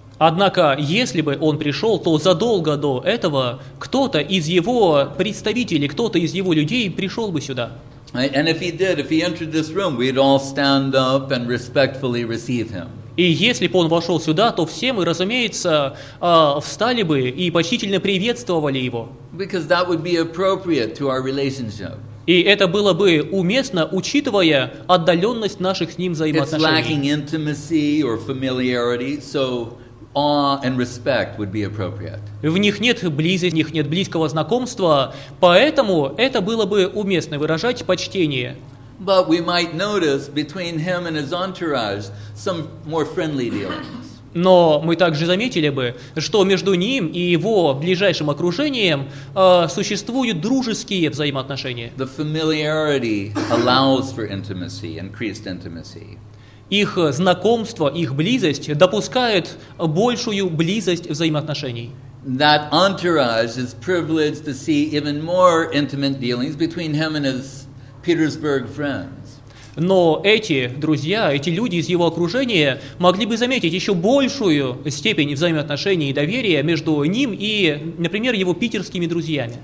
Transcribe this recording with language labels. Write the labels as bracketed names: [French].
[Russian] Однако, если бы он пришел, то задолго до этого кто-то из его представителей, кто-то из его людей пришел бы сюда. [English] And if he did, if he entered this room, we'd all stand up and respectfully receive him. [Russian] И если бы он вошел сюда, то все мы, разумеется, встали бы и почтительно приветствовали его. [English] Because that would be appropriate to our relationship. [Russian] И это было бы уместно, учитывая отдаленность наших с ним взаимоотношений. [English] It's lacking intimacy or familiarity, so awe and respect would be appropriate. [Russian] В них нет близости, в них нет близкого знакомства, поэтому это было бы уместно выражать почтение. [English] But we might notice between him and his entourage some more friendly dealings. [Russian] Но мы также заметили бы, что между ним и его ближайшим окружением существуют дружеские взаимоотношения. [English] The familiarity allows for intimacy, increased intimacy. [Russian] Их знакомство, их близость допускает большую близость взаимоотношений. [English] That entourage is privileged to see even more intimate dealings between him and his Petersburg friends. [Russian] Но эти друзья, эти люди из его окружения могли бы заметить еще большую степень взаимоотношений и доверия между ним и, например, его питерскими друзьями.